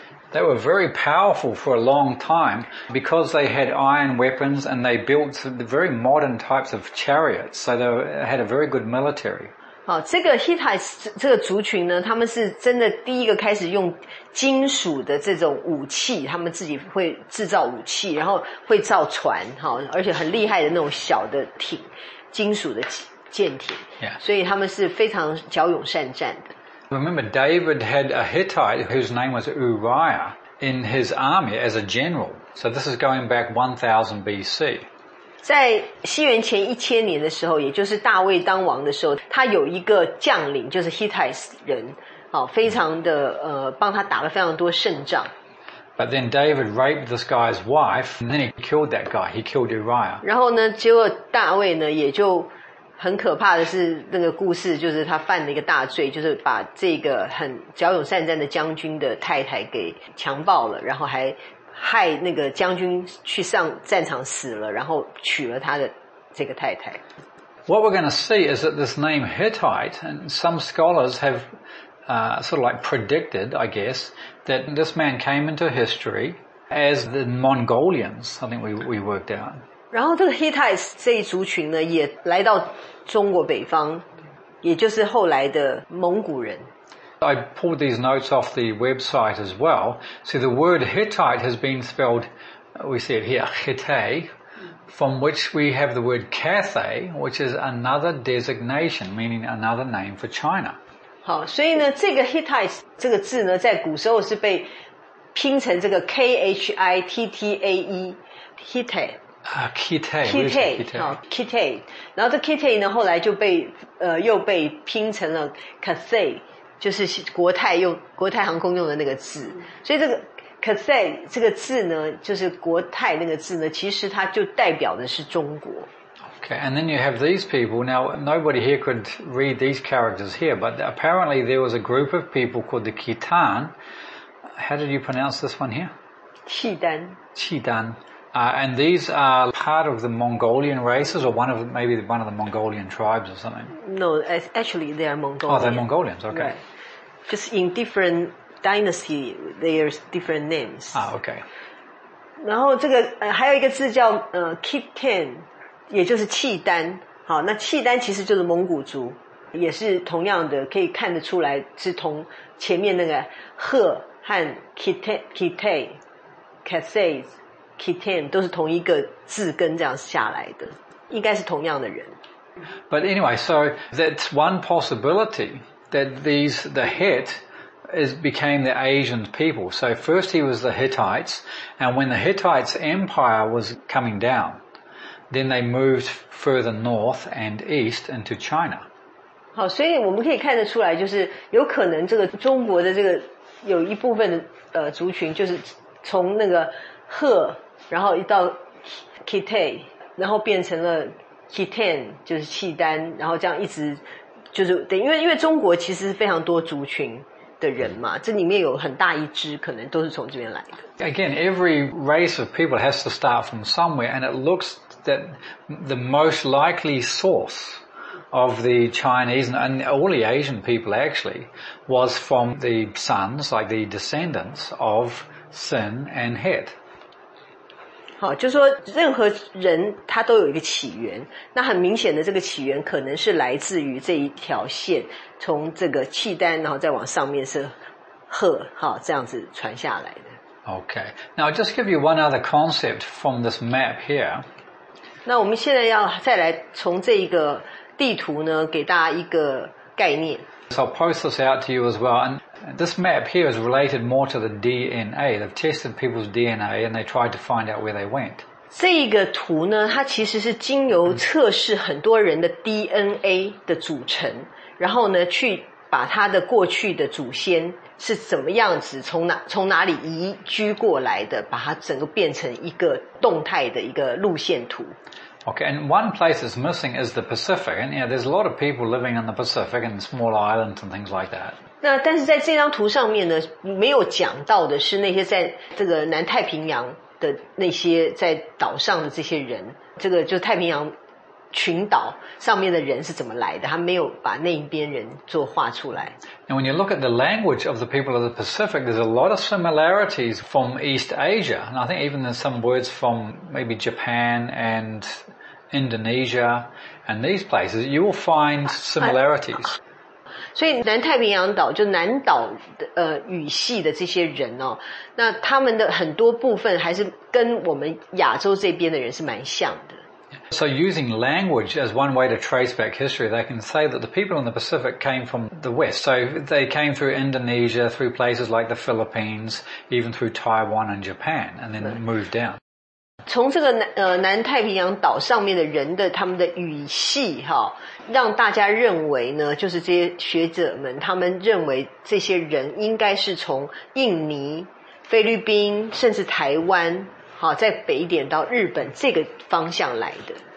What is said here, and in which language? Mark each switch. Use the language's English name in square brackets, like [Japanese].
[English] They were very powerful for a long time because they had iron weapons and they built the very modern types of chariots. So they had a very good military. [Chinese] 好，这个 Hittites 这个族群呢，他们是真的第一个开始用金属的这种武器，他们自己会制造武器，然后会造船，好，而且很厉害的那种小的艇，金属的舰艇。 [English] Yeah. [Chinese] 所以他们是非常骁勇善战的。 [English] Remember, David had a Hittite whose name was Uriah in his army as a general. So this is going back 1000 BC. [Chinese] 在西元前一千年的时候，也就是大卫当王的时候，他有一个将领，就是 Hittites 人，非常的帮他打了非常多胜仗。 [English] But then David raped this guy's wife, and then he killed that guy. He killed Uriah. [Chinese] 然后呢，结果大卫呢也就很可怕的是那个故事就是他犯了一个大罪，就是把这个很骁勇善战的将军的太太给强暴了，然后还害那个将军去上战场死了，然后娶了他的这个太太。 [English] What we're going to see is that this name Hittite, and some scholars have sort of like predicted, I guess, that this man came into history as the Mongolians, I think we worked out. [Chinese] 然后这个 Hittites 这一族群呢也来到中国北方，也就是后来的蒙古人。 [English] I pulled these notes off the website as well. So the word Hittite has been spelled, we see it here, Hittai, from which we have the word Cathay, which is another designation, meaning another name for China. [Chinese] 好，所以呢这个 Hittites 这个字呢在古时候是被拼成这个 K-H-I-T-T-A-E, Hittai。 [English] Kitay. [Chinese] 然后这 Kitay 呢后来就被又被拼成了 Cathay, 就是国泰航空用的那个字。所以这个 Cathay 这个字呢就是国泰那个字呢其实它就代表的是中国。 [English] OK. Okay, and then you have these people. Now, nobody here could read these characters here, but apparently there was a group of people called the Khitan. How did you pronounce this one here? Khitan. Khitan. And these are part of the Mongolian races, or maybe one of the Mongolian tribes or something? No, actually they are Mongolian. Oh, they're Mongolians, okay. Right. Just in different dynasty, there's different names. Ah, okay. [Chinese] 然后这个还有一个字叫Khitan，也就是契丹。好，那契丹其实就是蒙古族，也是同样的，可以看得出来是同前面那个赫和 Khitan 都是同一个字根这样下来的，应该是同样的人。 [English] But anyway, so that's one possibility that these, the Het is became the Asian people. So first he was the Hittites, and when the Hittites empire was coming down,Then they moved further north and east into China. [Chinese] 好，所以我们可以看得出来，就是有可能这个中国的这个有一部分的族群，就是从那个赫，然后一到 Khitan， 然后变成了 Khitan， 就是契丹，然后这样一直就是对，因为中国其实是非常多族群。的人嘛，这里面有很大一支可能都是从这边来的。 [English] Again, every race of people has to start from somewhere, and it looks that the most likely source of the Chinese and all the Asian people actually was from the sons, like the descendants of Sin and Het. [Chinese] 好，就说任何人他都有一个起源，那很明显的这个起源可能是来自于这一条线。从这个契丹，然后再往上面是赫，好，这样子传下来的。 [English] Okay, now I'll just give you one other concept from this map here. [Chinese] 那我们现在要再来从这一个地图呢，给大家一个概念。 [English] So I'll post this out to you as well. And this map here is related more to the DNA. They've tested people's DNA and they tried to find out where they went. [Chinese] 这一个图呢，它其实是经由测试很多人的 DNA 的组成。然后呢，去把他的过去的祖先是怎么样子，从哪里移居过来的，把它整个变成一个动态的一个路线图。 [English] Okay, and one place is missing is the Pacific, and yeah, there's a lot of people living in the Pacific and small islands and things like that. [Chinese] 那但是在这张图上面呢，没有讲到的是那些在这个南太平洋的那些在岛上的这些人，这个就是太平洋。群岛上面的人是怎么来的？他没有把那一边人做画出来。 [English] And when you look at the language of the people of the Pacific, there's a lot of similarities from East Asia. And I think even there's some words from maybe Japan and Indonesia and these places, you will find similarities. [Chinese] 所以南太平洋岛，就南岛的语系的这些人哦，那他们的很多部分还是跟我们亚洲这边的人是蛮像的。 [English] So using language as one way to trace back history, they can say that the people in the Pacific came from the West. So they came through Indonesia, through places like the Philippines, even through Taiwan and Japan, and then moved down. [Chinese] 从这个南太平洋岛上面的人的他们的语系哈，让大家认为呢，就是这些学者们他们认为这些人应该是从印尼、菲律宾，甚至台湾。好，在北一点到日本这个方向来的。